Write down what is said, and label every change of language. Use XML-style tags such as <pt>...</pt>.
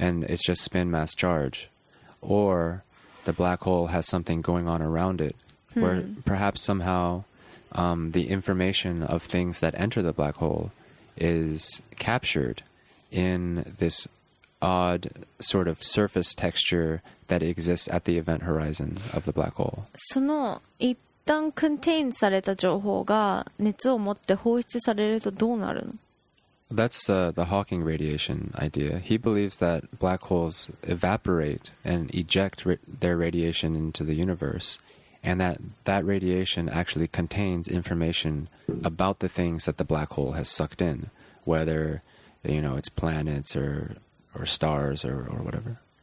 <en>And it's just spin mass charge, or the black hole has something going on around it, where perhaps somehow the information of things that enter the black hole is captured in this odd sort of surface texture that exists at the event horizon of the black hole.</en> <ja>一旦コンテインされた情報が熱を持って放出されるとどうなるの？</ja> <en>That's the Hawking radiation idea. He believes that black holes evaporate and eject their radiation into the universe, and that radiation actually contains information about the things that the black hole has sucked in, whether you know it's planets or stars or whatever.</en>